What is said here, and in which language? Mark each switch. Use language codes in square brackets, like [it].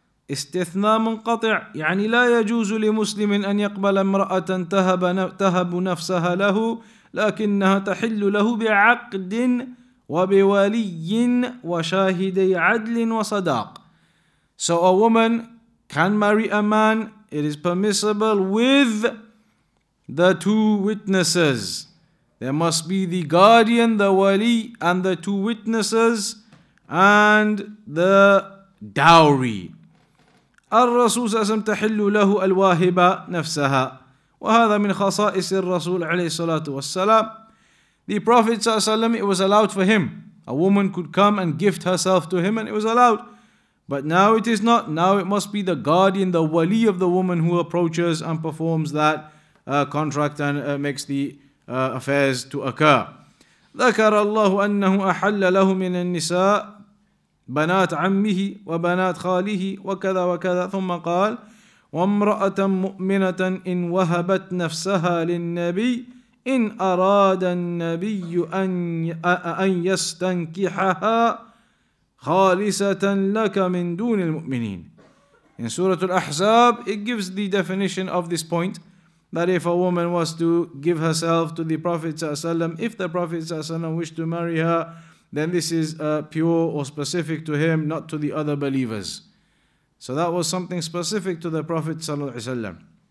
[ar] استثناء منقطع يعني لا يجوز لمسلم أن يقبل امرأة تهب نفسها له لكنها تحل له بعقد وبولي وشاهدي عدل وصداق. [en] So a woman can marry a man, it is permissible with the two witnesses. There must be the guardian, the wali, and the two witnesses, and the dowry. [ar] الرسول أسم تحل له الواهبة نفسها وهذا من خصائص الرسول عليه الصلاة والسلام. [en] The Prophet [ar] صلى الله عليه وسلم, [en] it was allowed for him. A woman could come and gift herself to him and it was allowed. But now it is not. Now it must be the guardian, the wali of the woman who approaches and performs that contract and makes the affairs to occur. [ar] ذكر الله أنه أحل له من النساء بنات عمه وبنات خاله وكذا وكذا ثم قال وامرأة مؤمنة إن وهبت نفسها للنبي إن أراد النبي أن يستنكحها خالصة لك من دون المؤمنين. [en] In Surah Al-Ahzab, it gives the definition of this point that if a woman was to give herself to the Prophet [ar] صلى الله عليه وسلم, [en] if the Prophet صلى الله عليه وسلم wished to marry her, then this is pure or specific to him, not to the other believers. So that was something specific to the Prophet [ar] sallallahu alaihi wasallam.